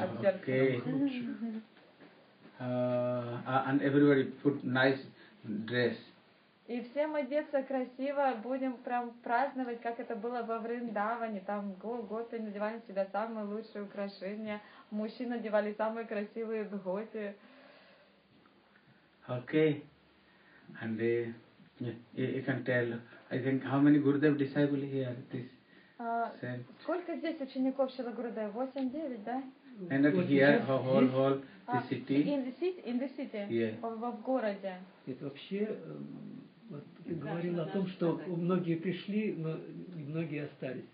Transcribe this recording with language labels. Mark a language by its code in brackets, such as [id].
[ru] От сердца. [en] And everybody put nice dress. [ru] И всем одеться красиво, будем прям праздновать, как это было во Вриндаване. Там готы надевали себя самые лучшие украшения, мужчины надевали самые красивые дготи. [en] Okay. And you can tell, I think, how many Gurudev disciples here? This [ru] сколько здесь учеников Шрилы Гурудева? 8-9, да? [en] And not here, whole the city. In the city. Yeah. [ru] В городе. Это вообще, вот ты говорил о том, что многие пришли, но многие остались.